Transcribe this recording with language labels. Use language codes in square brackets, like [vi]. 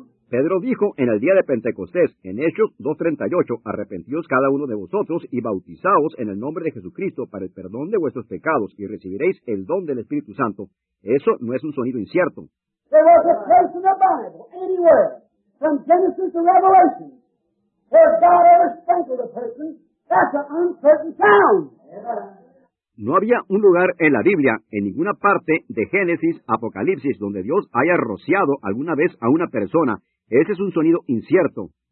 [es] Pedro dijo en el día de Pentecostés, en Hechos 2:38, arrepentíos cada uno de vosotros y bautizaos en el nombre de Jesucristo para el perdón de vuestros pecados y recibiréis el don del Espíritu Santo. Eso no es un sonido incierto. [en] There was a place in the Bible, anywhere, from Genesis to Revelation, where God ever sprinkled a person, that's an uncertain sound. [es] No había un lugar en la Biblia, en ninguna parte de Génesis, Apocalipsis, donde Dios haya rociado alguna vez a una persona. Ese es un sonido incierto.